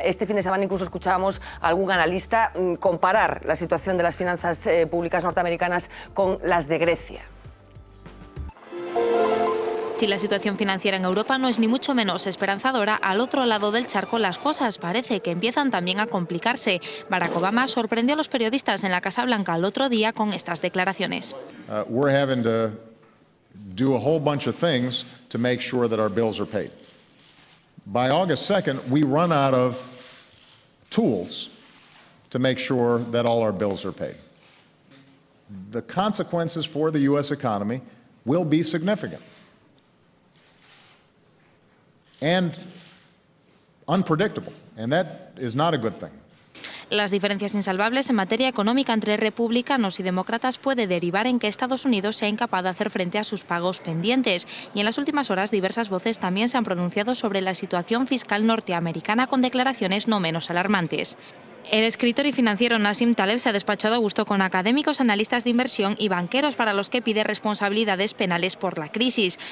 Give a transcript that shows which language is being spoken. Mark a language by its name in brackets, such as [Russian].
[Spanish] Este fin de semana incluso escuchábamos a algún analista comparar la situación de las finanzas públicas norteamericanas con las de Grecia. Si la situación financiera en Europa no es ni mucho menos esperanzadora, al otro lado del charco las cosas parece que empiezan también a complicarse. Barack Obama sorprendió a los periodistas en la Casa Blanca el otro día con estas declaraciones. [English] We're having to do a whole bunch of things to make sure that our bills are paid. By August 2nd, we run out of tools to make sure that all our bills are paid. The consequences for the U.S. economy will be significant and unpredictable, and that is not a good thing. [Spanish] Las diferencias insalvables en materia económica entre republicanos y demócratas puede derivar en que Estados Unidos sea incapaz de hacer frente a sus pagos pendientes. Y en las últimas horas, diversas voces también se han pronunciado sobre la situación fiscal norteamericana con declaraciones no menos alarmantes. El escritor y financiero Nassim Taleb se ha despachado a gusto con académicos, analistas de inversión y banqueros para los que pide responsabilidades penales por la crisis.